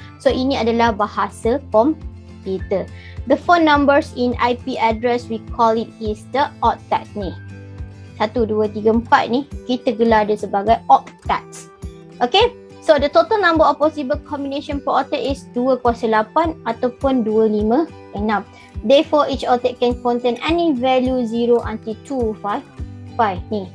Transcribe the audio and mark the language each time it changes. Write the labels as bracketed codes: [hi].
[ms] So ini adalah bahasa komputer. [en] The four numbers in IP address we call it is the octet [ms] ni. 1, 2, 3, 4 ni kita gelar dia sebagai octet. [en] Okay. So the total number of possible combination per octet is 208 [ms] ataupun [en] 256. Therefore, each octet can contain any value 0 until 2, 5, 5 [ms] ni.